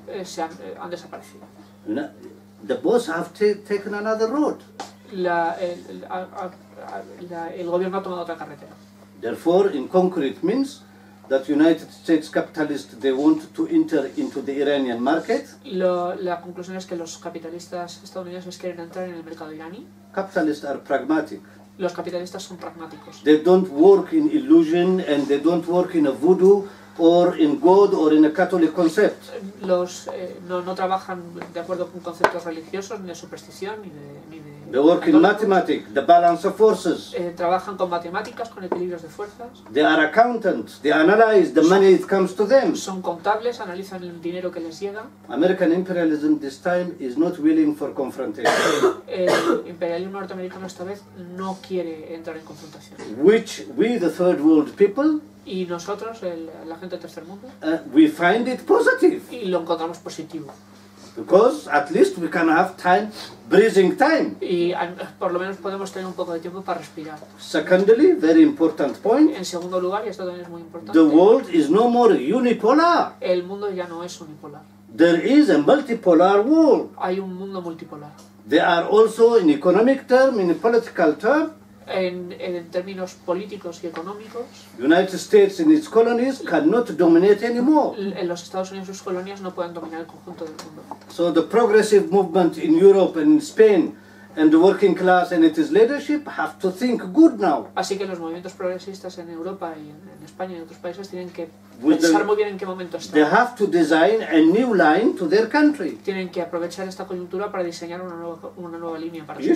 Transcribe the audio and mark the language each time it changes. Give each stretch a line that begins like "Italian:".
Spanish: se han desaparecido.
English: The boss have taken another road.
Spanish: El gobierno ha tomado otra carretera.
English: Therefore, in concrete means. That United States capitalists they want to enter into the Iranian market.
Spanish: La conclusión es que los capitalistas estadounidenses quieren entrar en el mercado iraní.
English: Capitalists are pragmatic.
Spanish: Los capitalistas son pragmáticos.
English: They don't work in illusion and they don't work in a voodoo or in God or in a Catholic concept.
Spanish: No trabajan de acuerdo con conceptos religiosos ni de superstición ni de.
English: They work in mathematics, the balance of forces.
Spanish: Trabajan con matemáticas, con equilibrios de fuerzas.
English: They are accountants. They analyze the money that comes to them.
Spanish: Son contables, analizan el dinero que les llega.
English: American imperialism this time is not willing for confrontation.
Spanish: El imperialismo norteamericano esta vez no quiere entrar en confrontación.
English: Which we, the third world people.
Spanish: Y nosotros, la gente del tercer mundo.
English: We find it positive.
Spanish: Y lo encontramos positivo.
English: Because at least we can have time, breathing time.
Spanish: Y por lo menos podemos tener un poco de tiempo para respirar.
English: Secondly, very important point.
Spanish: En segundo lugar, y esto también es muy importante.
English: The world is no more unipolar.
Spanish: El mundo ya no es unipolar.
English: There is a multipolar world.
Spanish: Hay un mundo multipolar.
English: There are also in economic term, in political term.
Spanish: En términos políticos y económicos,
English: United States and its colonies cannot dominate anymore.
Spanish: Los Estados Unidos y sus colonias no pueden dominar el conjunto del mundo.
English: So the progressive movement in Europe and in Spain and the working class and its leadership have to think good now.
Spanish: Así que los movimientos progresistas en Europa y en España y en otros países tienen que pensar muy bien en qué momento están.
English: They have to design a new line to their country.
Spanish: Tienen que aprovechar esta coyuntura para diseñar una nueva línea para su país.